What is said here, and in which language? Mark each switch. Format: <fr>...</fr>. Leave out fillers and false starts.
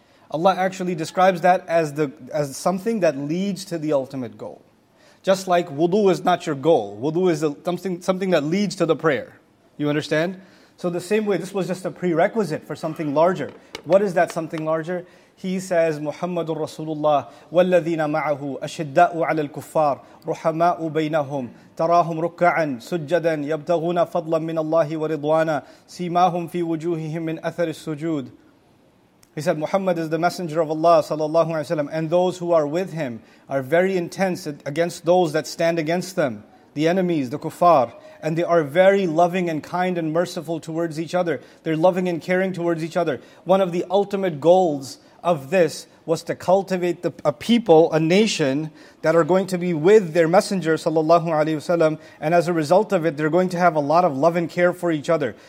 <en>Allah actually describes that as something that leads to the ultimate goal. Just like wudu is not your goal. Wudu is something that leads to the prayer. You understand? So the same way, this was just a prerequisite for something larger. What is that something larger? He says,</en> <ar>Muhammadur Rasulullah, وَالَّذِينَ مَعَهُ أَشِدَّاءُ عَلَى الْكُفَّارِ رُحَمَاءُ بَيْنَهُمْ تَرَاهُمْ رُكَّعًا سُجَّدًا يَبْتَغُونَ فَضْلًا مِّنَ اللَّهِ وَرِضْوَانًا سِيمَاهُمْ فِي وُجُوهِهِمْ مِّنْ أَثَرِ السُّجُودِ.</ar> <en>He said, Muhammad is the messenger of Allah sallallahu alayhi wa sallam, and those who are with him are very intense against those that stand against them, the enemies, the kuffar, and they are very loving and kind and merciful towards each other. They're loving and caring towards each other. One of the ultimate goals of this was to cultivate a people, a nation, that are going to be with their messenger sallallahu alayhi wa sallam, and as a result of it, they're going to have a lot of love and care for each other.</en>